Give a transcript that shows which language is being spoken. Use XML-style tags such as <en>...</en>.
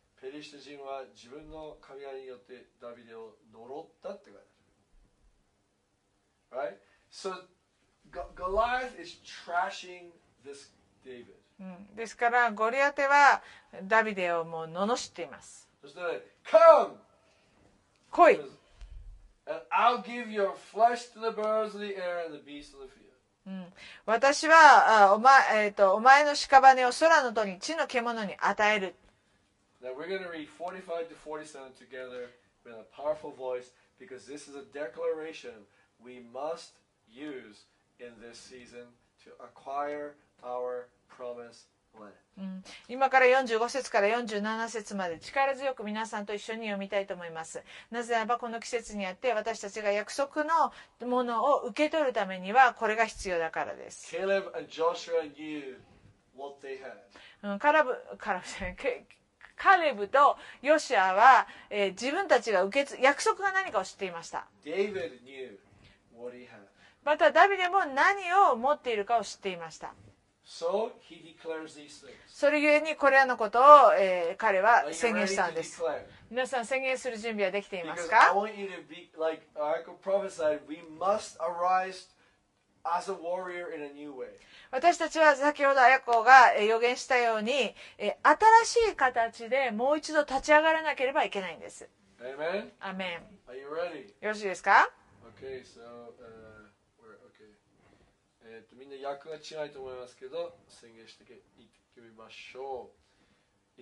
<ja>ペリシテ人は自分の神谷によってダビデを呪ったって書いてある。</ja> <en>Right? So, Goliath is trashing this David.</en> <ja>ですから、ゴリアテはダビデをもう罵っています。</ja> <en>そして、Come!</en> <ja>来い</ja> <en>!And I'll give your flesh to the birds of the air and the beasts of the field.</en> <ja>私はお前の屍を空の鳥に、地の獣に与える。</ja> <en>Now we're going to read 45 to 47 together with a powerful voice because this is a declaration we must use in this season to acquire our promised land.</en> <ja>今から45節から47節まで力強く皆さんと一緒に読みたいと思います。なぜならばこの季節にあって私たちが約束のものを受け取るためにはこれが必要だからです。</ja> <en>Caleb and Joshua knew what they had.</en> <ja>カレブとヨシアは、自分たちが受け約束が何かを知っていました。</ja> <en>David knew what he had.</en> <ja>またダビデも何を持っているかを知っていました。</ja> <en>So, he declares these things.</en> <ja>それゆえにこれらのことを、彼は宣言したんです。皆さん宣言する準備はできていますか？</ja> <en>Because I want you to be, like, I could prophesy, we must arise as a warrior in a new way.</en> <ja>私たちは先ほど綾子が予言したように新しい形でもう一度立ち上がらなければいけないんです。</ja> <en>Amen. Amen. Are you ready?</en> <ja>よろしいですか？</ja> <en>Okay, so, okay.</en> <ja>みんな訳が違いと思いますけど宣言していってみましょう。</ja>